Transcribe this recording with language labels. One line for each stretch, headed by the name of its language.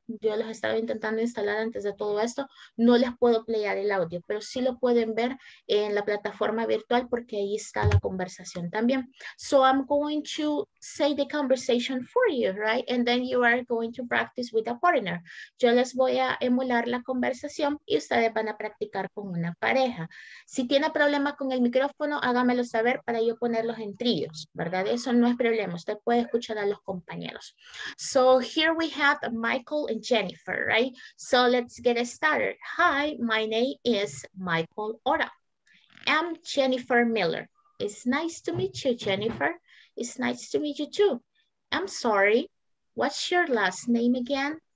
Spanish: Yo los estaba intentando instalar antes de todo esto. No les puedo playar el audio, pero sí lo pueden ver en la plataforma virtual porque ahí está la conversación también.
English: So I'm going to say the conversation for you, right? And then you are going to practice with a foreigner.
Spanish: Yo les voy a emular la conversación y ustedes van a practicar con una pareja. Si tienen problema con el micrófono, hágamelo saber para yo ponerlos en tríos, ¿verdad? Eso no es problema, usted puede escuchar a los compañeros.
English: So here we have Michael and Jennifer, right? So let's get started. Hi, my name is Michael Ora. I'm Jennifer Miller. It's nice to meet you, Jennifer. It's nice to meet you too. I'm sorry, what's your last name again?